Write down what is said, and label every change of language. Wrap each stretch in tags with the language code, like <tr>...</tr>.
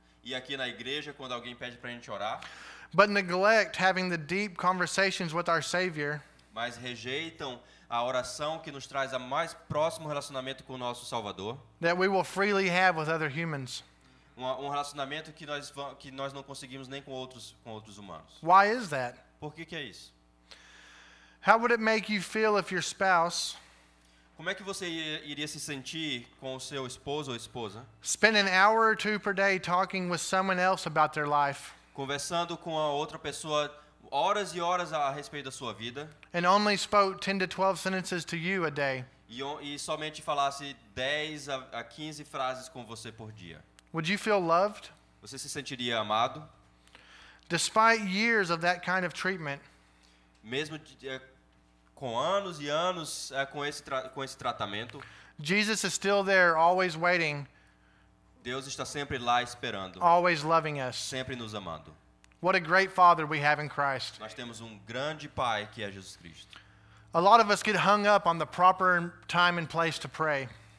<pt>E aqui na igreja quando alguém pede pra gente orar.</pt> <en>But neglect having the deep conversations with our Savior.</en> <pt>Mas rejeitam a oração que nos traz a mais próximo relacionamento com o nosso Salvador.</pt> <en>That we will freely have with other humans.</en> <pt>Um relacionamento que nós não conseguimos nem com outros humanos.</pt> <en>Why is that?</en> <pt>Por que é isso?</pt> <en>How would it make you feel if your spouse?</en> <pt>Como é que você iria se sentir com o seu esposo ou esposa?</pt> <en>Spend an hour or two per day talking with someone else about their life.</en> <pt>Conversando com a outra pessoa horas e horas a respeito da sua vida.</pt> <en>And only spoke 10 to 12 sentences to you a day.</en> <pt>E somente falasse 10 a 15 frases com você por dia.</pt> <en>Would you feel loved?</en> <pt>Você se sentiria amado?</pt> <en>Despite years of that kind of treatment.</en> <pt>Mesmo com anos e anos com esse tratamento.</pt> <en>Jesus is still there, always waiting.</en> <pt>Deus está sempre lá esperando.</pt> <en>Always loving us.</en> <pt>Sempre nos amando.</pt> <en>What a great Father we have in Christ.</en> <pt>Nós temos grande Pai que é Jesus Cristo.</pt> <en>A lot of us get hung up on the proper time and place to pray.</en>